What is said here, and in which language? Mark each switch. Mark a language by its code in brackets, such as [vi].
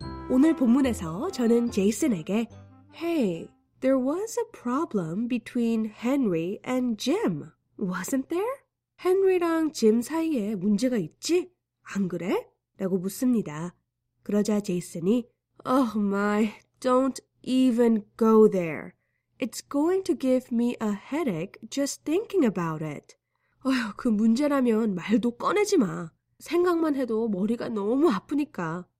[ko] 오늘 본문에서 저는 제이슨에게 [en] Hey, there was a problem between Henry and Jim, wasn't there? [ko] 헨리랑 짐 사이에 문제가 있지? 안 그래? 라고 묻습니다. 그러자 제이슨이 [en] Oh my, don't even go there. It's going to give me a headache just thinking about it. [ko] 어휴, 그 문제라면 말도 꺼내지 마. 생각만 해도 머리가 너무 아프니까.